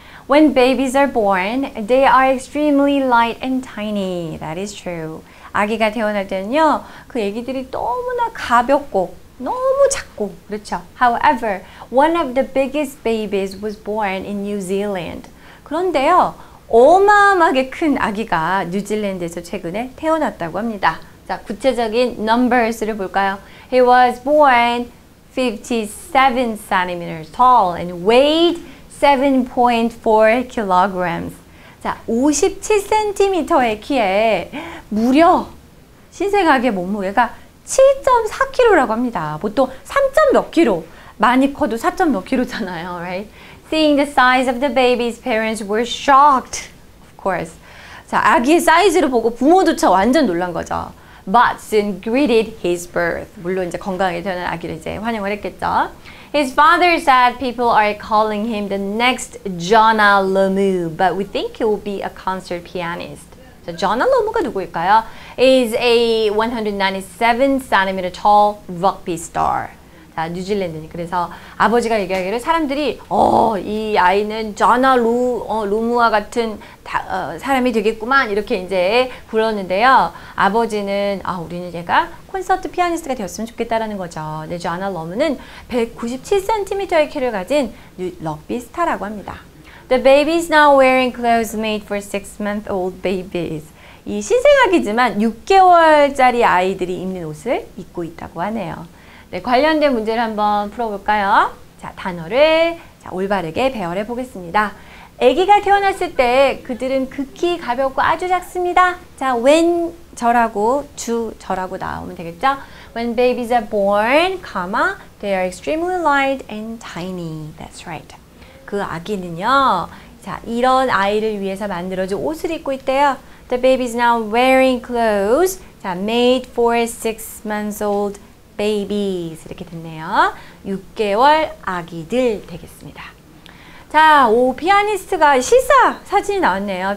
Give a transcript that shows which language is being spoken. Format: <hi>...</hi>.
<en>When babies are born, they are extremely light and tiny. That is true.</en> <ko>아기가 태어날 때는요, 그 아기들이 너무나 가볍고 너무 작고 그렇죠.</ko> <en>However, one of the biggest babies was born in New Zealand.</en> <ko>그런데요, 어마어마하게 큰 아기가 뉴질랜드에서 최근에 태어났다고 합니다. 자, 구체적인 numbers를 볼까요?</ko> <en>He was born 57 centimeters tall and weighed 7.4 kilograms.</en> <ko>자, 57cm의 키에 무려 신생아기의 몸무게가 7.4kg라고 합니다. 보통 3. 몇 킬로, 많이 커도 4. 몇 킬로잖아요, right?</ko> <en>Seeing the size of the baby's parents were shocked, of course.</en> <ko>자, 아기의 사이즈를 보고 부모조차 완전 놀란 거죠.</ko> <en>But soon greeted his birth.</en> <ko>물론 이제 건강하게 태어난 아기를 이제 환영을 했겠죠.</ko> <en>His father said people are calling him the next Jonah Lomu, but we think he will be a concert pianist. So Jonah Lomu가</en> <ko>누구일까요?</ko> <en>He's a 197cm tall rugby star.</en> <ko>자, 뉴질랜드니. 그래서 아버지가 얘기하기를 사람들이 이 아이는 Jonah Lomu와 같은 사람이 되겠구만 이렇게 이제 불렀는데요. 아버지는 우리는 얘가 콘서트 피아니스트가 되었으면 좋겠다라는 거죠. 근데 Jonah Lomu는 197cm의 키를 가진 럭비 스타라고 합니다.</ko> <en>The baby is now wearing clothes made for 6-month-old babies.</en> <ko>이 신생아기지만 6개월짜리 아이들이 입는 옷을 입고 있다고 하네요. 네, 관련된 문제를 한번 풀어볼까요? 자, 단어를 올바르게 배열해 보겠습니다. 아기가 태어났을 때 그들은 극히 가볍고 아주 작습니다. 자, when 저라고, to 저라고 나오면 되겠죠?</ko> <en>When babies are born, they are extremely light and tiny. That's right.</en> <ko>그 아기는요, 자, 이런 아이를 위해서 만들어진 옷을 입고 있대요.</ko> <en>The baby is now wearing clothes, made for 6-month-old babies.</en> <ko>이렇게 됐네요. 6개월 아기들 되겠습니다. 자, 오, 피아니스트가 시사 사진이 나왔네요.</ko>